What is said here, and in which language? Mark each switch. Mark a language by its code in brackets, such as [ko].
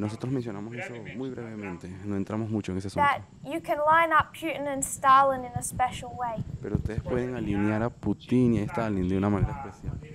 [es] Nosotros mencionamos eso muy brevemente, no entramos mucho en ese asunto. [en] That you can line up Putin and Stalin in a special way. [es] Pero ustedes pueden alinear a Putin y a Stalin de una manera especial.